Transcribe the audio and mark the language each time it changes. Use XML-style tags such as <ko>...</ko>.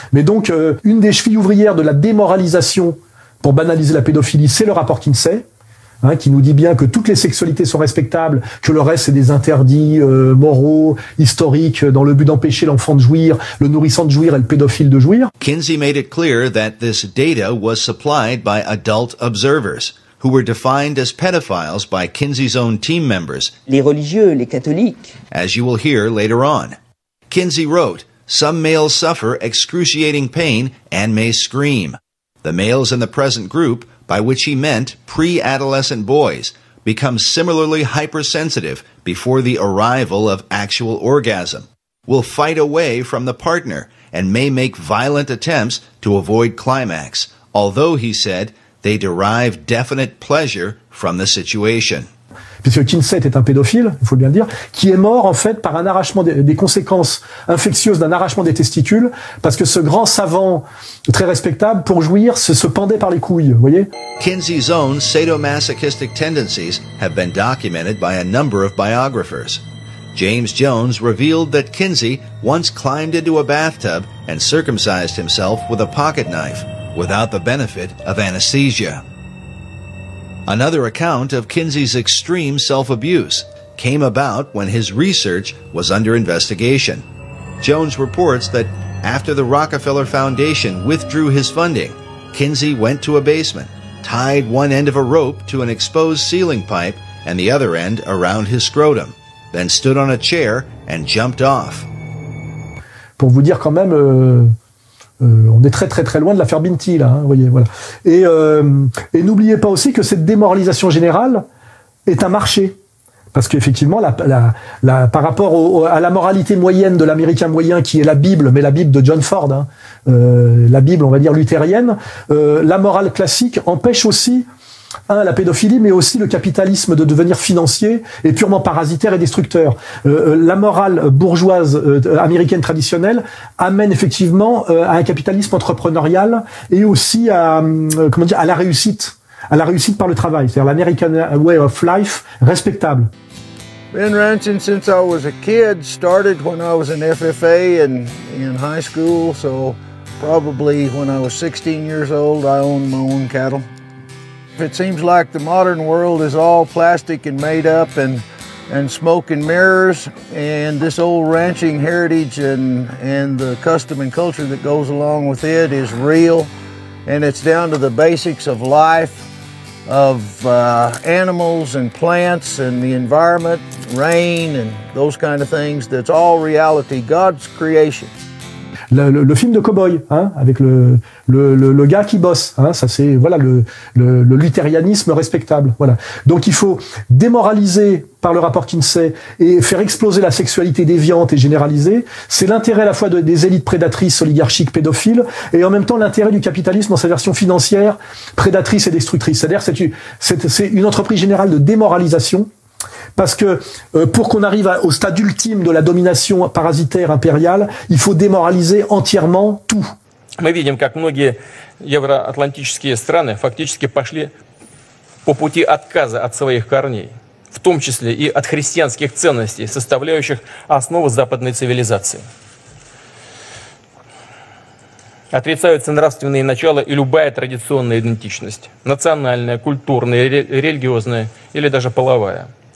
<fr>Mais donc, une des chevilles ouvrières de la démoralisation pour banaliser la pédophilie, c'est le rapport Kinsey, hein, qui nous dit bien que toutes les sexualités sont respectables, que le reste c'est des interdits moraux, historiques, dans le but d'empêcher l'enfant de jouir, le nourrisson de jouir et le pédophile de jouir.</fr> <en>Kinsey made it clear that this data was supplied by adult observers, who were defined as pedophiles by Kinsey's own team members.</en> <fr>Les religieux, les catholiques.</fr> <en>As you will hear later on. Kinsey wrote, "Some males suffer excruciating pain and may scream. The males in the present group, by which he meant pre-adolescent boys, become similarly hypersensitive before the arrival of actual orgasm, will fight away from the partner, and may make violent attempts to avoid climax, although, he said, they derive definite pleasure from the situation."</en> <fr>Puisque Kinsey était un pédophile, il faut bien le dire, qui est mort en fait par un arrachement des conséquences infectieuses d'un arrachement des testicules, parce que ce grand savant très respectable, pour jouir, se pendait par les couilles, vous voyez.</fr> <en>Kinsey's own sadomasochistic tendencies have been documented by a number of biographers. James Jones revealed that Kinsey once climbed into a bathtub and circumcised himself with a pocket knife, without the benefit of anesthesia. Another account of Kinsey's extreme self-abuse came about when his research was under investigation. Jones reports that after the Rockefeller Foundation withdrew his funding, Kinsey went to a basement, tied one end of a rope to an exposed ceiling pipe and the other end around his scrotum, then stood on a chair and jumped off.</en> <fr>Pour vous dire quand même, on est très très très loin de l'affaire Binti, là, hein, vous voyez, voilà. Et n'oubliez pas aussi que cette démoralisation générale est un marché. Parce qu'effectivement, par rapport à la moralité moyenne de l'Américain moyen, qui est la Bible, mais la Bible de John Ford, hein, la Bible, on va dire, luthérienne, la morale classique empêche aussi, hein, la pédophilie, mais aussi le capitalisme de devenir financier et purement parasitaire et destructeur. La morale bourgeoise américaine traditionnelle amène effectivement à un capitalisme entrepreneurial et aussi à la réussite par le travail. C'est-à-dire l'American way of life respectable.</fr> <en>Been ranching since I was a kid, started when I was in FFA and in high school, so probably when I was 16 years old, I owned my own cattle. It seems like the modern world is all plastic and made up, and and smoke and mirrors and this old ranching heritage and the custom and culture that goes along with it is real. And it's down to the basics of life, of animals and plants and the environment, rain and those kind of things. That's all reality, God's creation.</en> <fr>Le film de cow-boy, hein, avec le gars qui bosse, hein, ça c'est voilà le luthérianisme respectable, voilà. Donc il faut démoraliser par le rapport Kinsey et faire exploser la sexualité déviante et généralisée. C'est l'intérêt à la fois des élites prédatrices, oligarchiques, pédophiles, et en même temps l'intérêt du capitalisme dans sa version financière, prédatrice et destructrice. C'est-à-dire c'est une entreprise générale de démoralisation. Parce que pour qu'on arrive au stade ultime de la domination parasitaire impériale, il faut démoraliser entièrement tout.</fr> <ru>Мы видим, как многие евроатлантические страны фактически пошли по пути отказа от своих корней, в том числе и от христианских ценностей, составляющих основу западной цивилизации. Отрицаются нравственные начала и любая традиционная идентичность, национальная, культурная, религиозная или даже половая.</ru>